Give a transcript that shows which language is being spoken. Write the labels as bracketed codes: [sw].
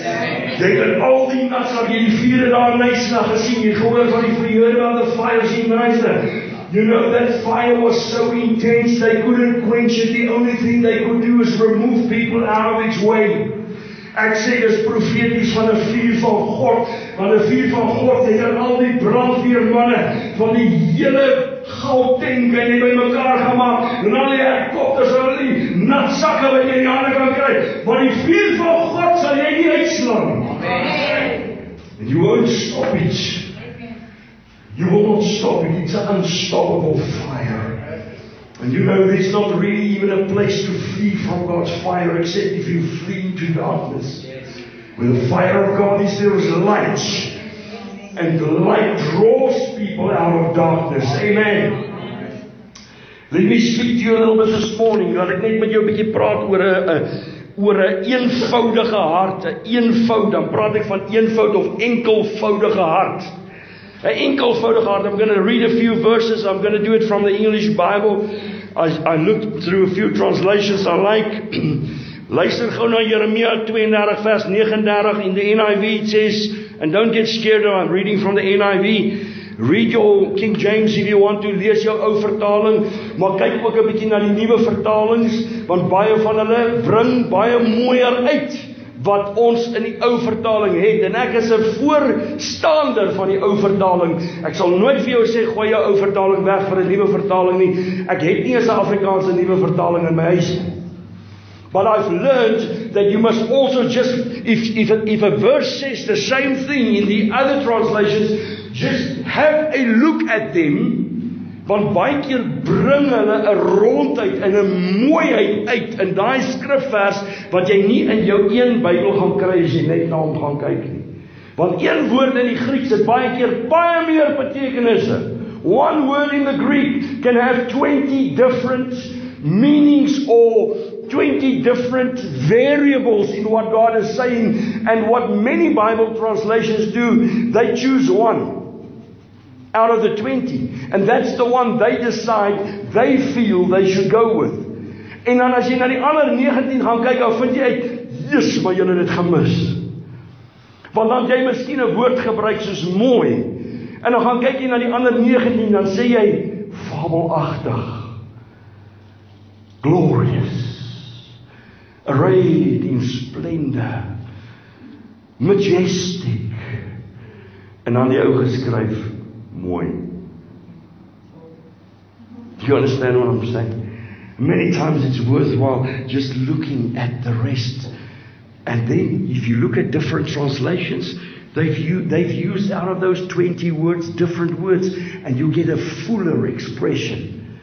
[af] amen. Jy kan al die nas van jy die vure daar in Nysna gesien, jy gehoor van die vure van [en] the fire in [af] Nysna. [en] You know, that fire was so intense, they couldn't quench it. The only thing they could do is remove people out of its way. [af] Ek sê, dis profeties van die vuur van God. Van die vuur van God, het hier al die brandweermanne van die hele Gauteng en die by mekaar gemaak. En al die helikopters en al die natsakke wat jy in die hande kan kry. Maar die vuur van God sal jy nie uitslaan. Amen. [en] And you won't stop it. You will not stop it. It's an unstoppable fire. And you know there's not really even a place to flee from God's fire except if you flee into darkness. Where the fire of God is, there is light. And the light draws people out of darkness. Amen. Let me speak to you a little bit this morning. [af] Laat ek net met jou 'n bietjie praat oor 'n eenvoudige hart. 'N eenvoud, dan praat ek van eenvoud of enkelvoudige hart. [en] An [af] enkelvoudige hart. [en] I'm going to read a few verses. I'm going to do it from the English Bible. I looked through a few translations I like. [af] Luister gou na Jeremia 32 vers 39 [en] in the NIV it says, and don't get scared, I'm reading from the NIV. Read your King James if you want to. [af] Lees jou ou vertaling, maar kyk ook 'n bietjie na die nuwe vertalings, want baie van hulle bring baie mooier uit wat ons in die ou vertaling het, en ek is 'n voorstander van die ou vertaling. Ek sal nooit vir jou sê gooi jou ou vertaling weg vir 'n nuwe vertaling nie. Ek het nie eens 'n Afrikaanse nuwe vertaling in my huis. [en] But I've learned that you must also just, if a verse says the same thing in the other translations, just have a look at them. [af] Want baie keer bring hulle 'n rondheid en 'n mooiheid uit in daai skrifvers wat jy nie in jou een Bybel gaan kry as jy net na hom gaan kyk nie. Want een woord in die Grieks het baie keer baie meer betekenisse. [en] One word in the Greek can have 20 different meanings or 20 different variables in what God is saying, and what many Bible translations do, they choose one out of the 20, and that's the one they decide, they feel they should go with. [af] En dan as jy na die ander 19 gaan kyk, dan vind jy uit, jis, maar julle het gemis. Want dan jy miskien 'n woord gebruik soos mooi, en dan gaan kyk jy na die ander 19, dan sê jy, fabelagtig, [en] glorious, arrayed in splendor, majestic, [af] en dan die ou geskryf, mooi. [en] Do you understand what I'm saying? Many times it's worthwhile just looking at the rest. And then if you look at different translations, they've used out of those 20 words, different words, and you get a fuller expression.